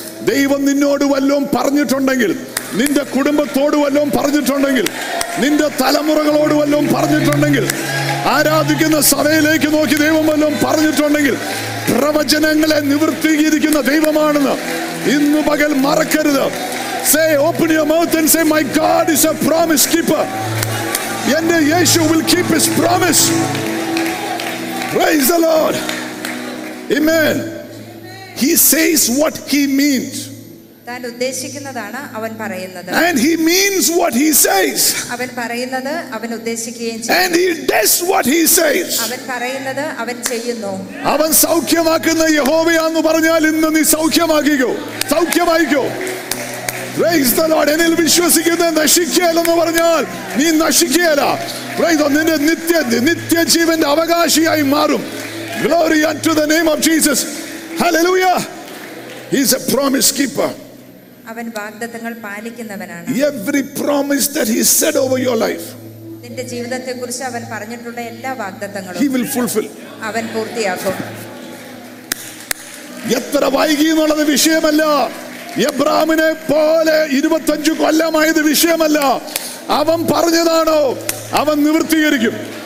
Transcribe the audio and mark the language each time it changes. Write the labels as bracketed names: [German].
[Malayalam] ദൈവം നിന്നോട് വല്ലതും പറഞ്ഞിട്ടുണ്ടെങ്കിൽ, നിന്റെ കുടുംബത്തോട് വല്ലതും പറഞ്ഞിട്ടുണ്ടെങ്കിൽ, നിന്റെ തലമുറകളോട് വല്ലതും പറഞ്ഞിട്ടുണ്ടെങ്കിൽ, ആരാധിക്കുന്ന സഭയിലേക്ക് നോക്കി ദൈവം വല്ലതും പറഞ്ഞിട്ടുണ്ടെങ്കിൽ, പ്രവചനങ്ങളെ നിവർത്തിയിരിക്കുന്ന ദൈവമാണെന്ന് ഇന്ന് പകൽ മറക്കരുത്. [English] Say, open your mouth and say, my God is a promise keeper. [Malayalam] Yenne Yeshu [English] will keep his promise. Praise the Lord. Amen. He says what he means. [Malayalam] താൻ ഉദ്ദേശിക്കുന്നതാണ് അവൻ പറയുന്നത്. [English] And he means what he says. [Malayalam] അവൻ പറയുന്നത് അവൻ ഉദ്ദേശിക്കുകയും ചെയ്യും. [English] And he does what he says. [Malayalam] അവൻ പറയുന്നത് അവൻ ചെയ്യുന്നു. അവൻ സൗഖ്യമാക്കുന്ന യഹോവയാണെന്ന് പറഞ്ഞാൽ ഇന്ന് നീ സൗഖ്യമാക്കിക്കോ. സൗഖ്യമാക്കിക്കോ. [English] Praise the Lord. [Malayalam] എന്നിൽ വിശ്വസിക്കുന്ന നശിക്കുകയില്ലെന്ന് പറഞ്ഞാൽ നീ നശിക്കുകയില്ല. [English] Praise the Lord. [Malayalam] നിത്യജീവന്റെ അവകാശിയായി മാറും. [English] Glory unto the name of Jesus. Hallelujah. He is a promise keeper. [Malayalam] അവൻ വാഗ്ദത്തങ്ങൾ പാലിക്കുന്നവനാണ്. [English] Every promise that he said over your life, [Malayalam] നിന്റെ ജീവിതത്തെ കുറിച്ച് അവൻ പറഞ്ഞിട്ടുള്ള എല്ലാ വാഗ്ദത്തങ്ങളും [English] he will fulfill. [Malayalam] അവൻ പൂർത്തിയാക്കും. എത്ര വൈകി എന്നുള്ളത് വിഷയമല്ല. എബ്രാമിനെ പോലെ 25 കൊല്ലമായത് വിഷയമല്ല. അവൻ പറഞ്ഞതാണോ അവൻ നിവൃത്തീകരിക്കും.